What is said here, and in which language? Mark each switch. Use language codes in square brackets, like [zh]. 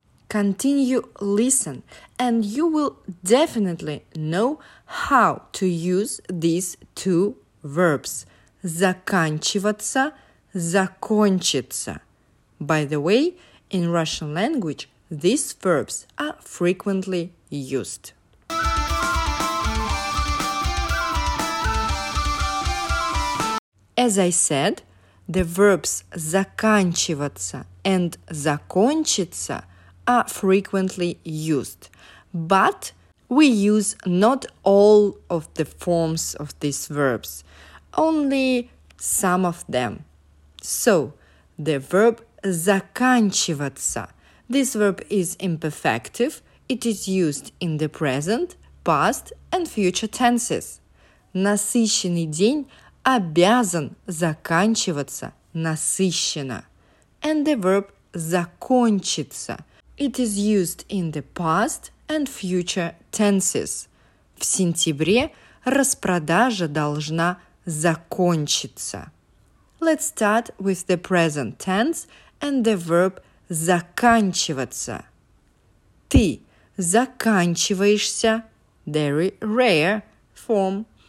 [en] Continue listen and you will definitely know how to use these two verbs. [ru] Заканчиваться, закончиться. [en] By the way, in Russian language, these verbs are frequently used. As I said, the verbs заканчиваться and закончиться are frequently used, but we use not all of the forms of these verbs, only some of them. So, the verb заканчиваться. This verb is imperfective. It is used in the present, past and future tenses. [ru] Насыщенный день обязан заканчиваться насыщенно. [en] And the verb закончиться. It is used in the past and future tenses. [ru] В сентябре распродажа должна закончиться. [en] Let's start with the present tense and the verb заканчиваться. [ru] Ты заканчиваешься. [en] Very rare form.